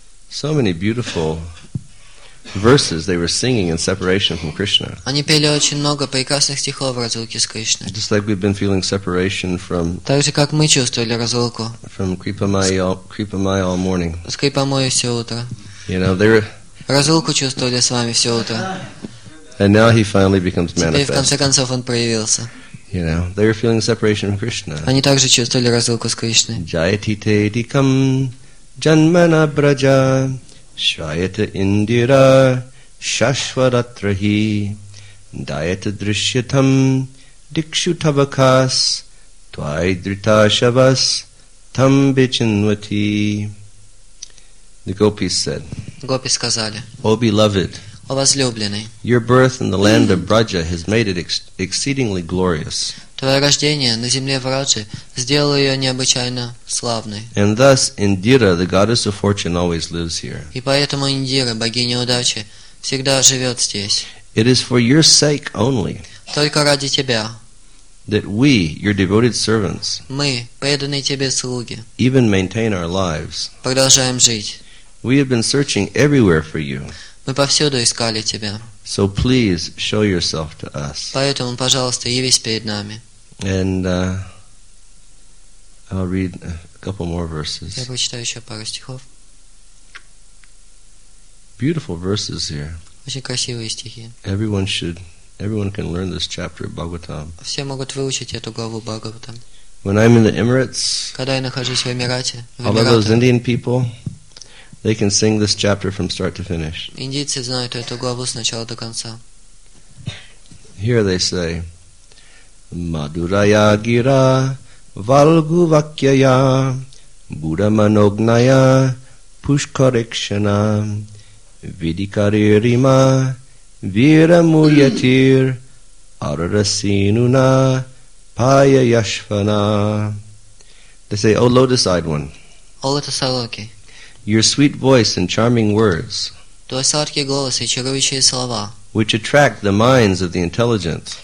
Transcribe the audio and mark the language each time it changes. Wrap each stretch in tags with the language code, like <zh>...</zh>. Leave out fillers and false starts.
<en>So many beautiful verses they were singing in separation from Krishna.</en> <ru>Они пели очень много прекрасных стихов в разлуке с Кришной.</ru> <en>Just like we've been feeling separation from.</en> <ru>Так же как мы чувствовали разлуку.</ru> <en>From Kripamaya all morning.</en> <ru>С Кripamaya все утро.</ru> <en>You know they were.</en> <ru>Разлуку чувствовали с вами все утро.</ru> <en>And now he finally becomes manifest.</en> <ru>Теперь в конце концов он проявился.</ru> <en>You know, they were feeling separation from Krishna.</en> <ru>Они также чувствовали разлуку с Кришной.</ru> <sa>Jayati te dikam janmana braja shrayata indira shashvaratrahi dayata drishyatam dikshutavakas twaidritashavas tam bichinvati.</sa> <en>The gopis said.</en> <ru>Гопи сказали.</ru> <en>O beloved.</en> <ru>О возлюбленный.</ru> <en>Your birth in the land of Braja has made it exceedingly glorious.</en> <ru>Твое рождение на земле Враджи сделало ее необычайно славной.</ru> <en>And thus Индира, the goddess of fortune, always lives here.</en> <ru>И поэтому Индира, богиня удачи, всегда живет здесь.</ru> <en>It is for your sake only.</en> <ru>Только ради тебя.</ru> <en>That we, your devoted servants,</en> <ru>мы, преданные тебе слуги,</ru> <en>even maintain our lives.</en> <ru>Продолжаем жить.</ru> <en>We have been searching everywhere for you.</en> <ru>Мы повсюду искали тебя.</ru> <en>So please show yourself to us.</en> <ru>Поэтому, пожалуйста, явись перед нами.</ru> <en>And I'll read a couple more verses.</en> <ru>Я прочитаю еще пару стихов.</ru> <en>Beautiful verses here.</en> <ru>Очень красивые стихи.</ru> <en>Everyone can learn this chapter of Bhagavatam.</en> <ru>Все могут выучить эту главу Бхагаватам.</ru> <en>When I'm in the Emirates.</en> <ru>Когда я нахожусь в Эмирате.</ru> <en>All of those Indian people. They can sing this chapter from start to finish.</en> <ru>Индийцы знают эту главу с начала до конца.</ru> <en>Here they say,</en> <sa>Madhuraya gira valgu vakyaya buddhamanognaya pushkarekshana vidikaririma viramuryatir ararasinuna payayashvana.</sa> <en>They say, O lotus-eyed one. O lotus-eyed. Your sweet voice and charming words,</en> <ru>твой сладкий голос и чарующие слова,</ru> <en>which attract the minds of the intelligent,</en>